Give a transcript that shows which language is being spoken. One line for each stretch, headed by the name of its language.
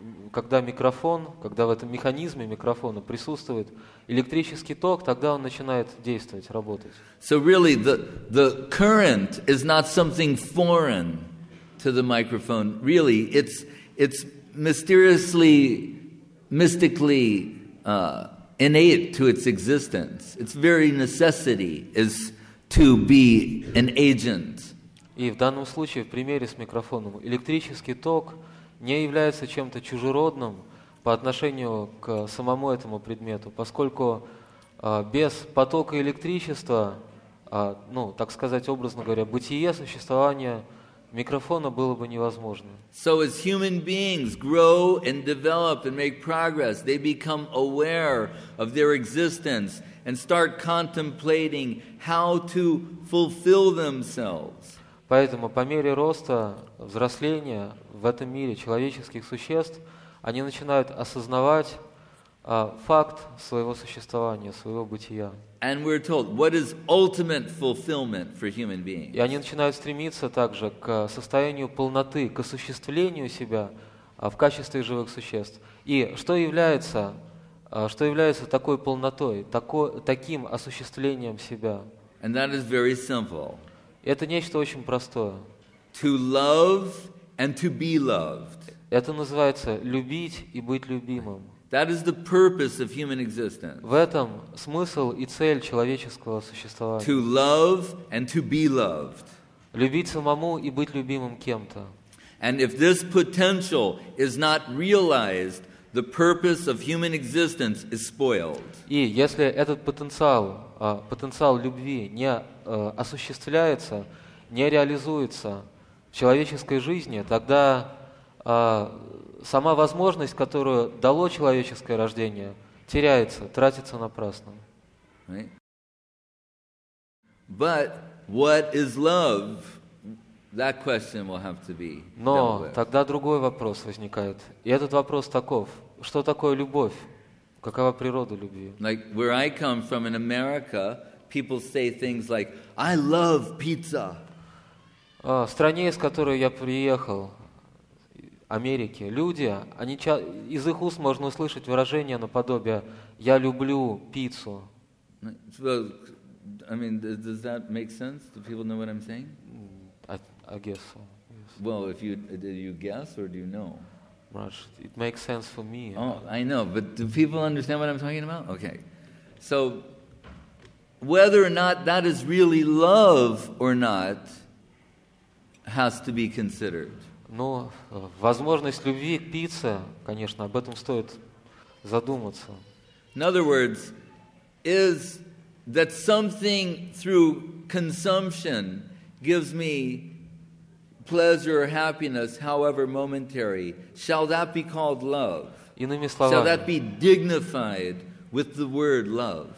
Russian: Когда в этом механизме микрофона присутствует электрический ток, тогда он начинает действовать, работать.
English: So really, the current is not something foreign to the microphone. Really, it's mysteriously, mystically innate to its existence. Its very necessity is to be an agent.
Russian: И в данном случае, в примере с микрофоном, электрический ток не является чем-то чужеродным по отношению к самому этому предмету, поскольку без потока электричества, так сказать, образно говоря, бытие, существование микрофона было бы невозможно.
English: So as human beings grow and develop and make progress, they become aware of their existence and start contemplating how to fulfill themselves.
Russian: Поэтому по мере роста, взросления в этом мире человеческих существ, они начинают осознавать факт своего существования, своего бытия.
English: And we're told, what is ultimate fulfillment for human beings?
Russian: И они начинают стремиться также к состоянию полноты, к осуществлению себя в качестве живых существ. И что является такой полнотой, таким осуществлением себя?
English: And that is very simple.
Russian: Это нечто очень простое.
English: To love and to be loved.
Russian: Это называется любить и быть любимым.
English: That is the purpose of human existence.
Russian: В этом смысл и цель человеческого существования.
English: To love and to be loved.
Russian: Любить самому и быть любимым кем-то.
English: And if this potential is not realized, the purpose of human existence is spoiled.
Russian: И если этот потенциал любви не осуществляется, не реализуется в человеческой жизни, тогда сама возможность, которую дало человеческое рождение, теряется, тратится напрасно.
English: But what is love? That question will have to be dealt with.
Russian: Но тогда другой вопрос возникает. И этот вопрос таков. Что такое любовь? Какова природа любви?
English: Like where I come from in America, people say things like, I love pizza.
Russian: В стране, из которой я приехал, Америке, люди, они, из их уст можно услышать выражение наподобие «я люблю пиццу».
English: Well, I mean, does that make sense? Do people know what I'm saying? I guess so. Well, if you, do you guess or do you know? Raj, it makes sense for me. Oh, I know, but do people understand what I'm talking about? Okay. So, whether or not that is really love or not has to be considered.
Russian: Но возможность любви к пицце, конечно, об этом стоит задуматься.
English: In other words, is that something through consumption gives me pleasure or happiness, however momentary, shall that be called love?
Russian: Иными словами,
English: shall that be dignified with the word love?